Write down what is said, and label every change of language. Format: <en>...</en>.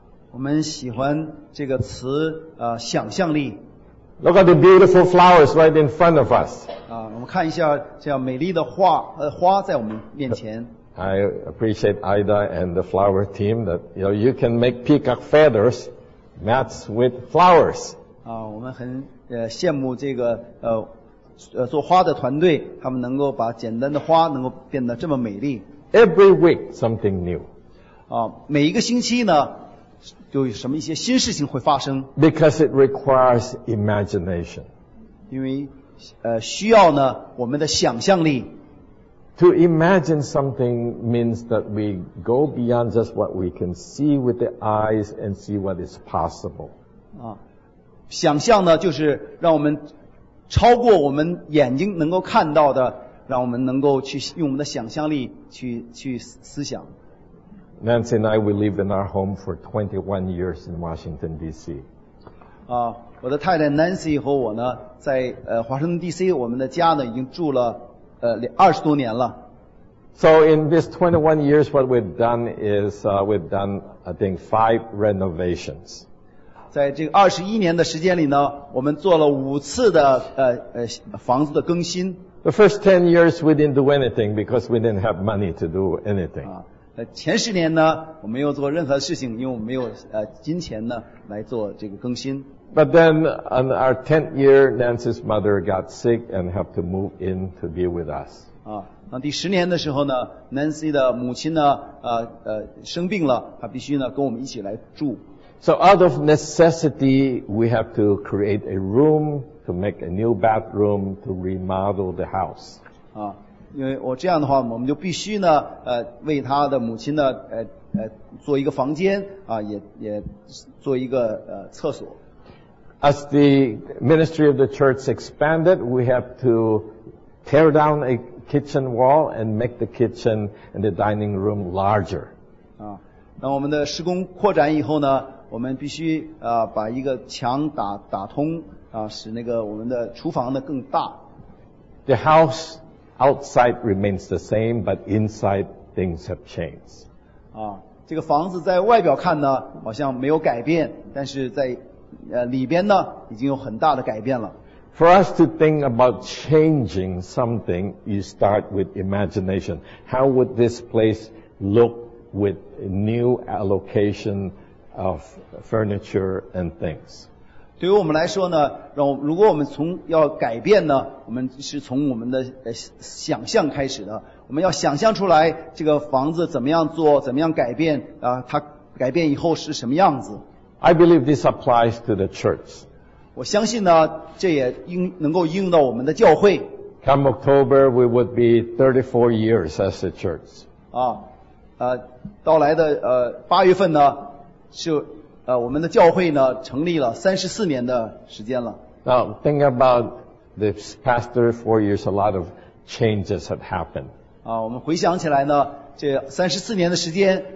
<zh>我们喜欢这个词, 想象力。</zh> <en>Look at the beautiful flowers right in front of us.</en> <zh>我们看一下这样美丽的花，花在我们面前。</zh> <en>I appreciate Ida and the flower team that you know, you can make peacock feathers mats with flowers.</en> <zh>我们很羡慕这个做花的团队，他们能够把简单的花能够变得这么美丽。</zh> <en>Every week something new.</en> <zh>每一个星期呢，就有什么一些新事情会发生。</zh> <en>Because it requires imagination.</en> <zh>因为需要呢我们的想象力。</zh> <en>To imagine something means that we go beyond just what we can see with the eyes and see what is possible.</en> <zh>想象呢就是让我们超过我们眼睛能够看到的，让我们能够去用我们的想象力去思想。</zh> <en>Nancy and I, we live in our home for 21 years in Washington, D.C.</en> <zh>我的太太 Nancy 和我呢，在华盛顿 D.C. 我们的家呢已经住了20多年了。</zh> <en>So in this 21 years, what we've done is we've done, I think, 5 renovations.</en> <zh>在这个21年的时间里呢，我们做了5次的房子的更新。</zh> <en>The first 10 years we didn't do anything because we didn't have money to do anything.</en> <zh>前10年呢，我没有做任何事情，因为我们没有金钱呢来做这个更新。</zh> <en>But then on our 10th year, Nancy's mother got sick and had to move in to be with us.</en> <zh>那第十年的时候呢， Nancy 的母亲呢生病了，她必须呢跟我们一起来住。</zh> <en>So out of necessity, we have to create a room to make a new bathroom to remodel the house.</en> <zh>因为我这样的话，我们就必须呢为她的母亲呢做一个房间也做一个厕所。</zh> <en>As the ministry of the church expanded, we have to tear down a kitchen wall and make the kitchen and the dining room larger.</en> <zh>那我们的施工扩展以后呢，我们必须把一个墙打通使那个我们的厨房呢更大。</zh> <en>The house outside remains the same, but inside things have changed.</en> <zh>这个房子在外表看呢，好像没有改变，但是在里边呢已经有很大的改变了。</zh> <en>For us to think about changing something, you start with imagination. How would this place look with new allocation of furniture and things?</en> <zh>对于我们来说呢，如果我们从要改变呢，我们是从我们的想象开始的。我们要想象出来这个房子怎么样做，怎么样改变它改变以后是什么样子。</zh> <en>I believe this applies to the church.</en> <zh>我相信呢，这也能够应用到我们的教会。</zh> <en>Come October, we would be 34 years as a church.</en> <zh>到来的八月份呢，是我们的教会呢成立了34年的时间了。</zh> <en>Now think about the past 34 years. A lot of changes have happened.</en> <zh>我们回想起来呢，这34年的时间。</zh>